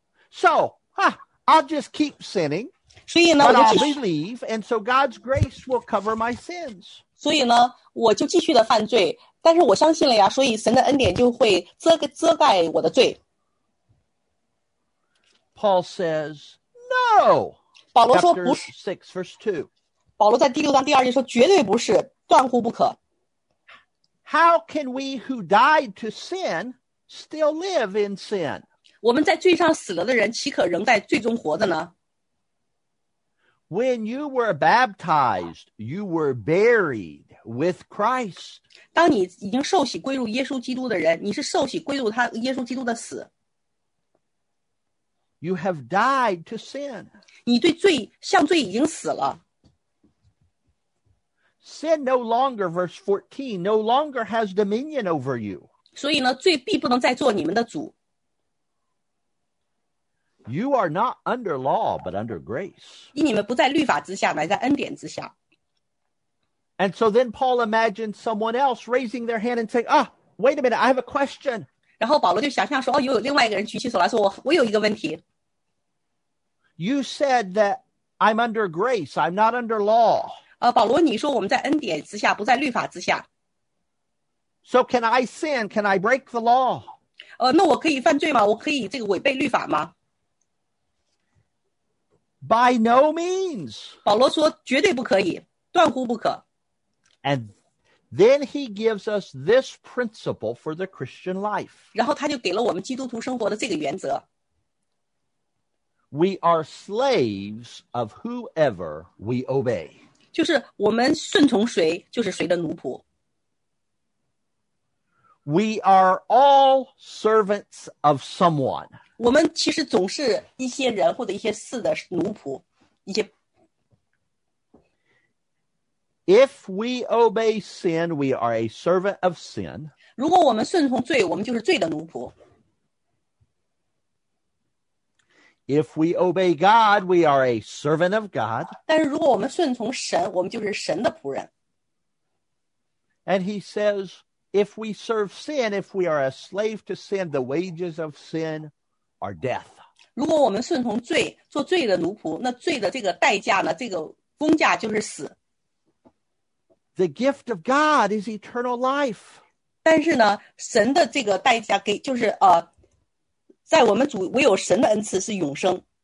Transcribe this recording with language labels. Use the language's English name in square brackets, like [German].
[English] So, I'll just keep sinning, but I'll believe, and so God's grace will cover my sins. [Chinese] 所以呢，我就继续的犯罪，但是我相信了呀，所以神的恩典就会遮盖我的罪。 [English] Paul says, no. [Chinese] 保罗说不是。 [English] Six, verse two. [Chinese] 保罗在第六章第二节说绝对不是，断乎不可。 [English] How can we who died to sin still live in sin? [Chinese] 我们在罪上死了的人岂可仍在罪中活着呢？ [English] When you were baptized, you were buried with Christ. [Chinese] 当你已经受洗归入耶稣基督的人，你是受洗归入他耶稣基督的死。 [English] You have died to sin. [Chinese] 你对罪，向罪已经死了。 [English] Sin no longer, verse 14, no longer has dominion over you. [Chinese] 所以呢，罪必不能再做你们的主。 [English] You are not under law, but under grace. [Chinese] 你们不在律法之下，乃在恩典之下。 [English] And so then Paul imagined someone else raising their hand and saying, "Ah, wait a minute, I have a question." [Chinese] 然后保罗就想象说，哦，又有另外一个人举起手来说，我有一个问题。 [English] You said that I'm under grace. I'm not under law. [Chinese] 保罗，你说我们在恩典之下，不在律法之下。 [English] So can I sin? Can I break the law? [Chinese] 那我可以犯罪吗？我可以这个违背律法吗？ [English] By no means. [Chinese] 保罗说绝对不可以，断乎不可。 [English] And then he gives us this principle for the Christian life. [Chinese] 然后他就给了我们基督徒生活的这个原则。 [English] We are slaves of whoever we obey. [Chinese] 就是我们顺从谁，就是谁的奴仆。 [English] We are all servants of someone. [Chinese] 我们其实总是一些人或者一些事的奴仆，一些。 [English] If we obey sin, we are a servant of sin. [Chinese] 如果我们顺从罪，我们就是罪的奴仆。 [English] If we obey God, we are a servant of God. [Chinese] 但是如果我们顺从神，我们就是神的仆人。 [English] And he says, if we serve sin, if we are a slave to sin, the wages of sin are death. [Chinese] 如果我们顺从罪，做罪的奴仆，那罪的这个代价呢，这个工价就是死。 [English] The gift of God is eternal life. [Chinese] 但是呢，神的这个代价给就是在我们主唯有神的恩赐是永生。